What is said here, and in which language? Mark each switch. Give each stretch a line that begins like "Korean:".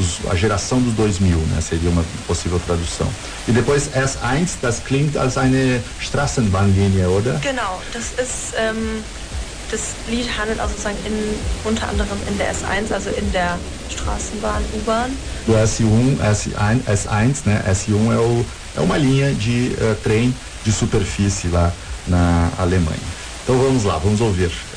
Portuguese: A geração dos 2000, né, seria uma possível tradução. E depois
German: S1, das klingt als eine Straßenbahnlinie, oder? Genau, das ist... Das Lied handelt also sozusagen unter anderem in der S1, also in der Straßenbahn, U-Bahn.
Portuguese: Do S1, né? S1 é uma linha de trem de superfície lá na Alemanha. Então vamos lá, vamos ouvir.